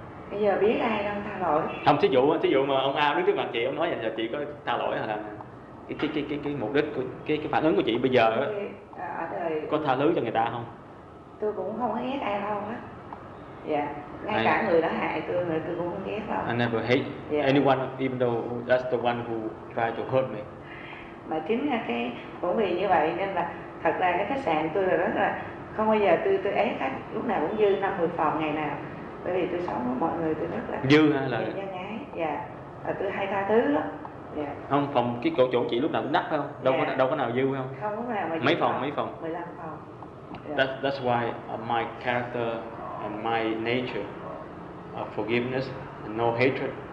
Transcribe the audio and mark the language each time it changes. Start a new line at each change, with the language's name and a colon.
Vietnamese: Bây giờ biết ai đang tha lỗi? Không, thí dụ mà ông A đứng trước mặt chị, ông nói rằng là chị có tha lỗi hay là cái mục đích của cái phản ứng của chị bây giờ á, có tha thứ cho người ta không? Tôi cũng không ghét ai đâu á. Dạ, ngay cả người đã hại tôi cũng không ghét đâu.
English: I never hate anyone, even though that's the one who tried to hurt me.
Vietnamese: Mà chính là cái cũng vì như vậy nên là thật ra cái khách sạn tôi là rất là không bao giờ tôi ế khách, lúc nào cũng dư 50 phòng ngày nào. Bởi vì tôi sống với mọi người tôi rất là dư hay là nhân ái. Dạ. Và tôi hay tha thứ lắm. Dạ. Không, phòng cái cổ chỗ chị lúc nào cũng đắt phải không? Đâu có đâu có nào dư phải không? Không có nào mà dư. Mấy phòng? 15 phòng. Dạ.
English: That's why my character and my nature of forgiveness and no hatred.